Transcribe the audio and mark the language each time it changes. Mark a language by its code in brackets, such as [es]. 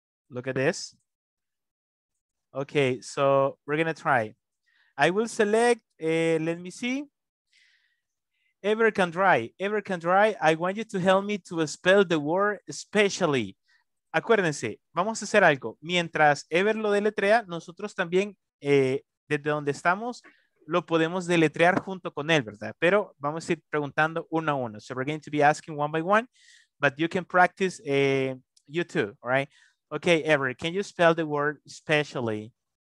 [en] Look at this. Okay, so we're gonna try. I will select, let me see. Ever can try. I want you to help me to spell the word especially. [es] Acuérdense, vamos a hacer algo. Mientras Ever lo deletrea, nosotros también, desde donde estamos, lo podemos deletrear junto con él, ¿verdad? Pero vamos a ir preguntando uno a uno. [en] So we're going to be asking one by one, but you can practice you too, all right? Okay, Ever, can you spell the word especially?